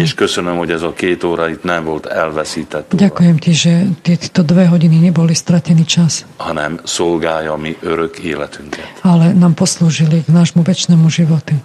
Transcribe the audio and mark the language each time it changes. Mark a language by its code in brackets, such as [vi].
[hu] És köszönöm, hogy ez a két óra itt nem volt elveszített óra. [sk] Ďakujem ti, že tieto dve hodiny neboli stratený čas. [hu] Hanem szolgálja mi örök életünket. [sk] Ale nám poslúžili k nášmu večnému životu.